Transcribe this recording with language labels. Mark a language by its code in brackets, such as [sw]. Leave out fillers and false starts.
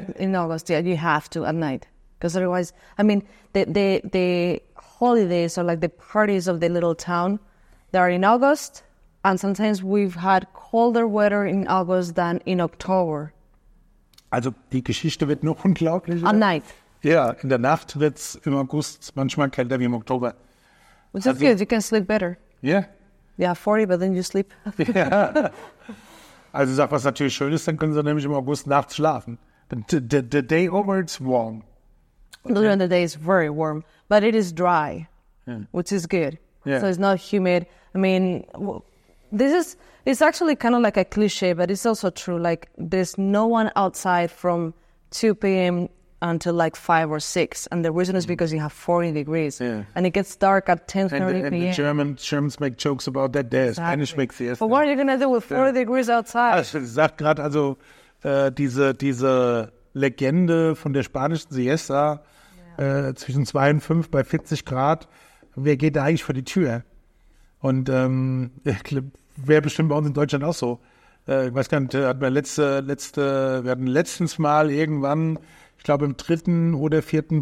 [en] in August. Yeah, you have to at night. Because otherwise, I mean, the holidays or like the parties of the little town, they are in August. And sometimes we've had colder weather in August than in October. [de] Also die Geschichte wird noch unglaublicher. [en] At night. [de] Ja, in der Nacht wird es im August manchmal kälter wie im Oktober. [en] It's also, good, you can sleep better. Yeah. Yeah, 40, but then you sleep. Yeah. [de] Also sag, was natürlich schön ist, dann können sie nämlich im August nachts schlafen. [en] The day over, it's warm. Okay. During the day, it's very warm, but it is dry, which is good. Yeah. So it's not humid. I mean, this is, it's actually kind of like a cliche, but it's also true. Like, there's no one outside from 2 p.m., until like 5 or 6, and the reason is because you have 40 degrees, and it gets dark at 10:30 p.m. And the Germans make jokes about that. There, exactly. Spanish makes the. But what are you gonna do with 40 degrees outside? [de] Also, sagt gerade also diese Legende von der spanischen Siesta zwischen 2 und 5 bei 40 Grad. Wer geht da eigentlich vor die Tür? Und wäre bestimmt bei uns in Deutschland auch so. Ich weiß gar nicht, wir hatten letztens mal irgendwann, ich glaube, im 3. oder 4.